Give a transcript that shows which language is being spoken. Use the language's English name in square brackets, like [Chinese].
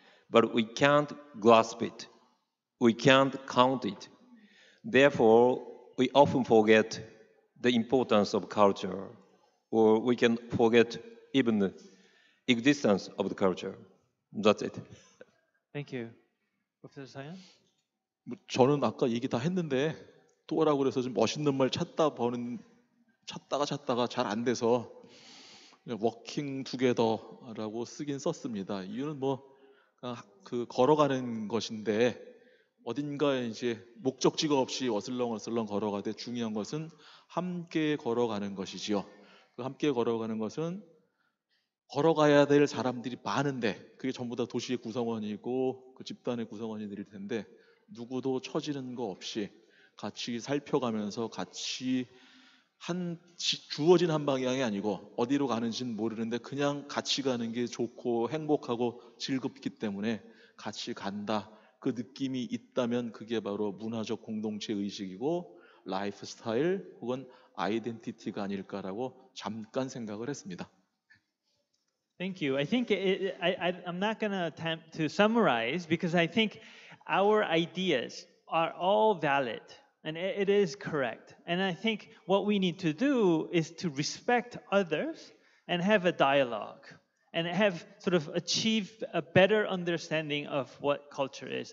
[English] But we can't grasp it. We can't count it. Therefore, we often forget the importance of culture, or we can forget even the existence of the culture. That's it. Thank you. Professor Sayan? [Korean] 저는 아까 얘기 다 했는데 또 하라고 그래서 좀 멋있는 말 찾다 보는 찾다가 잘 안 돼서 워킹 투게더라고 쓰긴 썼습니다. 이유는 뭐 그 걸어가는 것인데 어딘가에 이제 목적지가 없이 어슬렁어슬렁 걸어가되 중요한 것은 함께 걸어가는 것이지요. 그 함께 걸어가는 것은 걸어가야 될 사람들이 많은데 그게 전부 다 도시의 구성원이고 그 집단의 구성원이 될 텐데 누구도 처지는 거 없이 같이 살펴가면서 같이 주어진 한 방향이 아니고 어디로 가는지는 모르는데 그냥 같이 가는 게 좋고 행복하고 즐겁기 때문에 같이 간다 그 느낌이 있다면 그게 바로 문화적 공동체 의식이고 라이프 스타일 혹은 아이덴티티가 아닐까라고 잠깐 생각을 했습니다. [English] Thank you. I think I'm not going to attempt to summarize because I think our ideas are all valid. And it is correct. And I think what we need to do is to respect others and have a dialogue and have sort of achieve a better understanding of what culture is.